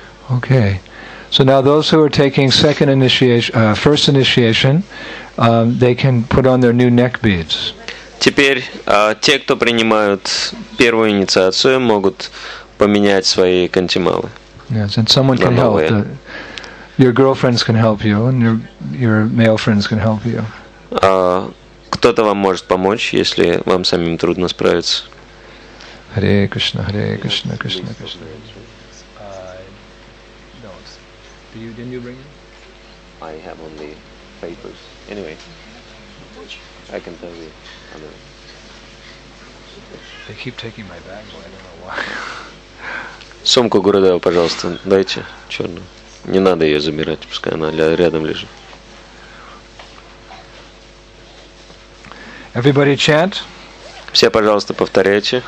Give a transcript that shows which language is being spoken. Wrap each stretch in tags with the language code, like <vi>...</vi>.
<en>Okay, so now those who are taking second initiation, first initiation, they can put on their new neck beads.</en> <ru>Теперь те, кто принимают первую инициацию, могут поменять свои кантималы.</ru> <en>Yes, and someone can help. Your girlfriends can help you, and your male friends can help you.</en> <ru>Кто-то вам может помочь, если вам самим трудно справиться.</ru> <en>Hare Krishna, Hare Krishna, Krishna Krishna. Didn't you bring it? I have only papers. Anyway, I can tell you. They keep taking my bag, but I don't know why.</en> <ru>Сумку Гурудева, пожалуйста, дайте черную. Не надо ее забирать, пускай она рядом лежит.</ru> <en>Everybody chant.</en> <ru>Все, пожалуйста, повторяйте.</ru>